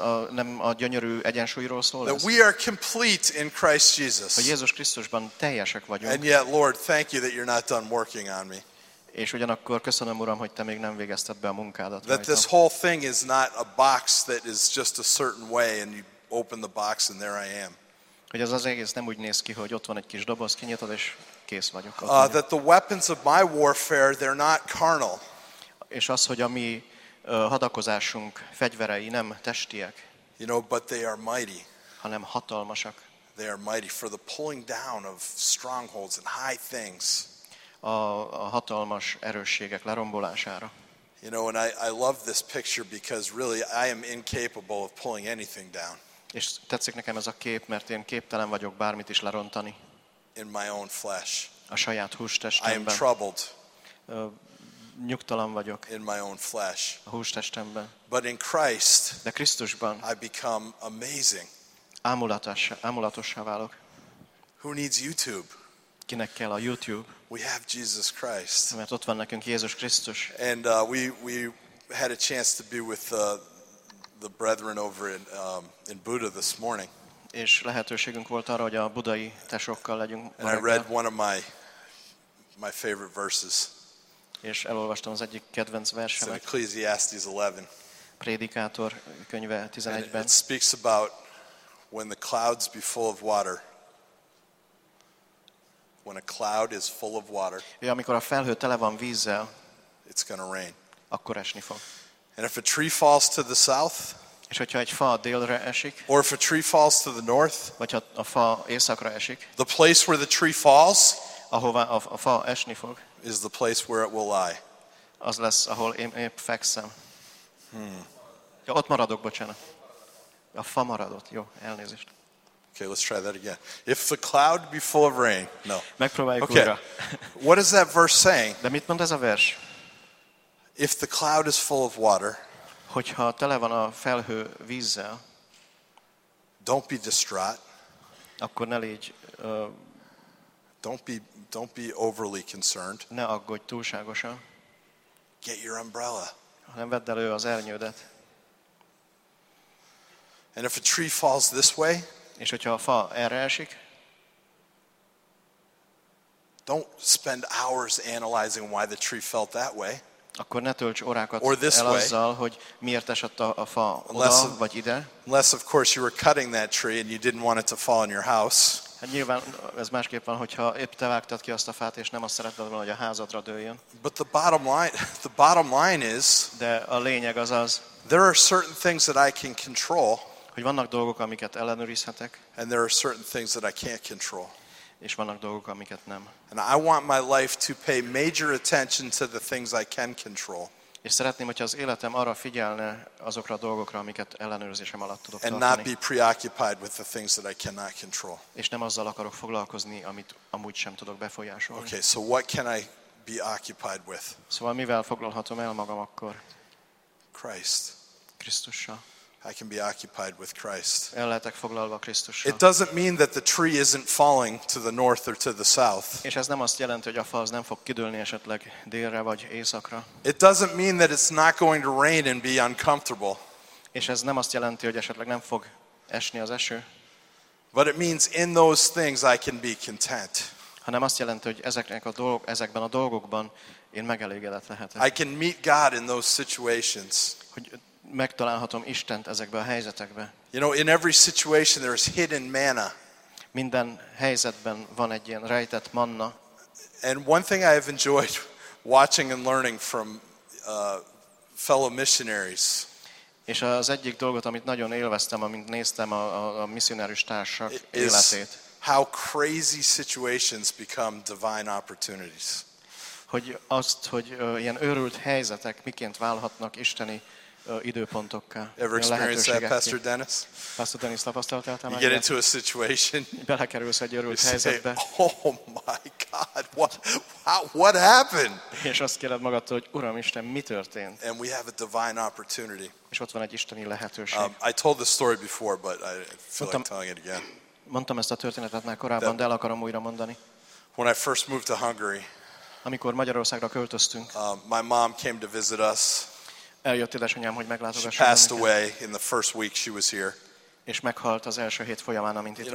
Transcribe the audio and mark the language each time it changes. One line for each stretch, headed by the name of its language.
Hungarian: Nem a gyönyörű egyensúlyról szól ez.
English: That we are complete in Christ Jesus.
Hungarian: Hogy Jézus Krisztusban teljesek vagyunk.
English: And yet, Lord, thank you that you're not done working on me.
Hungarian: És ugyanakkor köszönöm, Uram, hogy te még nem végezted be a munkádat.
English: That this whole thing is not a box that is just a certain way and you open the box and there I am.
Hungarian: Hogy ez az egész nem úgy néz ki, hogy ott van egy kis doboz, kinyitod és kész vagyok.
English: That the weapons of my warfare, they're not carnal.
Hungarian: És az, hogy a mi hadakozásunk fegyverei nem testiek.
English: You know, but they are mighty.
Hungarian: Hanem hatalmasak.
English: They are mighty for the pulling down of strongholds and high things.
Hungarian: A hatalmas erősségek lerombolására.
English: You know, and I love this picture because really I am incapable of pulling anything down.
Hungarian: És tetszik nekem ez a kép, mert én képtelen vagyok bármit is lerontani.
English: In my own flesh.
Hungarian: A saját hústestemben.
English: I am troubled.
Hungarian: Nyugtalan vagyok.
English: In my own flesh.
Hungarian: A hústestemben.
English: But in Christ.
Hungarian: De Krisztusban.
English: I become amazing.
Hungarian: Ámulatossá válok.
English: Who needs YouTube?
Hungarian: Kinek kell a YouTube?
English: We have Jesus Christ.
Hungarian: Mert ott van nekünk Jézus Krisztus.
English: And we had a chance to be with the brethren over in Buda this morning.
Hungarian: És lehetőségünk volt arra, hogy a budai tesókkal legyünk.
English: And I read one of my favorite verses.
Hungarian: És elolvastam az egyik kedvenc versemet.
English: Ecclesiastes 11.
Hungarian: Prédikátor könyve 11-ben.
English: It speaks about when the clouds be full of water. When a cloud is full of water.
Hungarian: Ja, amikor a felhő tele van vízzel.
English: It's going to rain.
Hungarian: Akkor esni fog.
English: And if a tree falls to the south.
Hungarian: És hogyha egy fa délre esik.
English: Or if a tree falls to the north.
Hungarian: Vagy ha a fa északra esik.
English: The place where the tree falls.
Hungarian: Ahova a fa esni fog.
English: Is the place where it will lie.
Hungarian: Az lesz, ahol én épp fekszem. Hmm. Ja, ott maradok, bocsánat. A fa maradott. Jó, elnézést.
English: Okay, let's try that again. If the cloud be full of rain. No.
Hungarian: Megpróbáljuk okay. Újra.
English: What is that verse saying?
Hungarian: De mit mond ez a vers?
English: If the cloud is full of water.
Hungarian: Hogyha tele van a felhő vízzel.
English: Don't be distraught.
Hungarian: Akkor ne légy.
English: Don't be overly concerned.
Hungarian: Ne aggódj túlságosan.
English: Get your umbrella.
Hungarian: Nem vedd elő az ernyődet.
English: And if a tree falls this way.
Hungarian: És hogyha a fa erre esik,
English: don't spend hours analyzing why the tree felt that way.
Hungarian: Akkor ne tölts órákat el azzal, hogy miért esett a fa oda vagy ide.
English: Unless of course you were cutting that tree and you didn't want it to fall in your house.
Hungarian: Hát nyilván ez másképp van, hogyha épp te vágtad ki azt a fát, és nem azt szeretted volna, hogy a házadra dőljön.
English: But the bottom line is,
Hungarian: de a lényeg az az,
English: there are certain things that I can control,
Hungarian: hogy vannak dolgok, amiket ellenőrizhetek,
English: and there are certain things that I can't control,
Hungarian: és vannak dolgok, amiket nem.
English: And I want my life to pay major attention to the things I can control.
Hungarian: És szeretném, hogy az életem arra figyelne azokra a dolgokra, amiket ellenőrzésem alatt tudok
English: and
Hungarian: tartani.
English: And not be preoccupied with the things that I cannot control.
Hungarian: És nem azzal akarok foglalkozni, amit amúgy sem tudok befolyásolni.
English: Okay, so what can I be occupied with?
Hungarian: Szóval mivel foglalhatom el magam akkor?
English: Christ.
Hungarian: Krisztussal.
English: I can be occupied with Christ.
Hungarian: El lehetek foglalva Krisztussal.
English: It doesn't mean that the tree isn't falling to the north or to the south.
Hungarian: És ez nem azt jelenti, hogy a fa az nem fog kidőlni esetleg délre vagy északra.
English: It doesn't mean that it's not going to rain and be uncomfortable.
Hungarian: És ez nem azt jelenti, hogy esetleg nem fog esni az eső.
English: But it means in those things I can be content.
Hungarian: Hanem azt jelenti, hogy ezekben a dolgokban én megelégedett lehetek.
English: I can meet God in those situations.
Hungarian: Megtalálhatom Istent ezekben a helyzetekben.
English: You know, in every situation there is hidden manna.
Hungarian: Minden helyzetben van egy ilyen rejtett manna.
English: And one thing I have enjoyed watching and learning from fellow missionaries.
Hungarian: És az egyik dolgot, amit nagyon élveztem, amint néztem a misszionárius társak életét.
English: How crazy situations become divine opportunities.
Hungarian: Hogy azt, hogy ilyen őrült helyzetek miként válhatnak isteni időpontokká.
English: Ever experienced that, Pastor Dennis?
Hungarian: Pastor Dennis, tapasztaltál már?
English: Get into a situation.
Hungarian: Belekerülsz egy őrült helyzetbe.
English: Oh my God, what happened?
Hungarian: És azt kérdezed magadtól, hogy Uram Isten, mi történt?
English: And we have a divine opportunity.
Hungarian: És ott van egy isteni lehetőség.
English: I told this story before, but I feel like telling it again.
Hungarian: Mondtam ezt a történetet már korábban, de el akarom újra mondani.
English: When I first moved to Hungary,
Hungarian: amikor Magyarországra költöztünk,
English: my mom came to visit us.
Hungarian: Eljött édesanyám, hogy meglátogasson.
English: She passed away in the first week she was here.
Hungarian: És meghalt az első hét folyamán, amint itt volt.